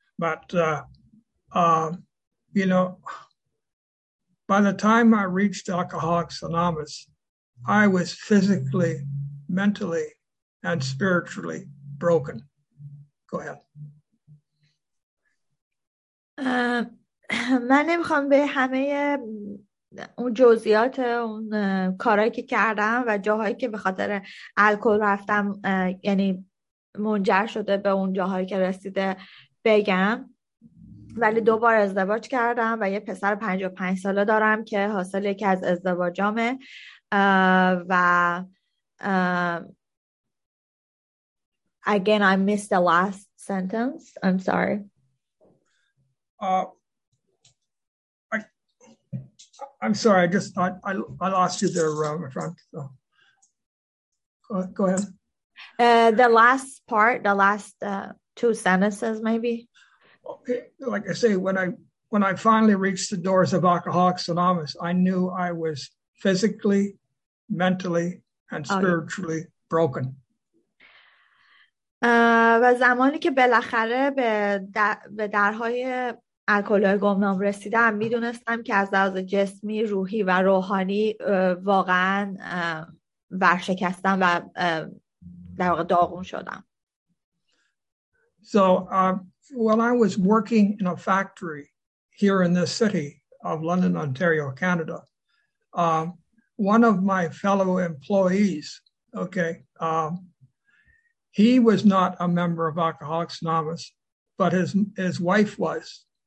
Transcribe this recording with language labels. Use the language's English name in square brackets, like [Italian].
[English] But, you know, by the time I reached Alcoholics Anonymous, I was physically, mentally, and spiritually broken. Go ahead. [Persian] من نمیخوام به همه اون جزئیات اون کارهایی که کردم و جاهایی که به خاطر الکل رفتم، یعنی منجر شده به اون جاهایی که رسیده بگم، ولی دوبار ازدواج کردم و یه پسر 55 ساله دارم که حاصل یکی از ازدواجامه و [English] again I missed the last sentence, I'm sorry. I'm sorry, I lost you there, my friend. So. Go ahead. The last part, the last two sentences maybe. Okay, like I say, when I finally reached the doors of Alcoholics Anonymous, I knew I was physically, mentally, and spiritually broken. [Persian] و زمانی که بالاخره به درهای الکلوی گمنام رسیدم، میدونستم که از لحاظ جسمی، روحی و روحانی واقعا ورشکستم و در واقع داغون شدم. [English] So when I was working in a factory here in this city of London, Ontario, Canada, one of my fellow employees, okay, he was not a member of Alcoholics Anonymous, but his wife was.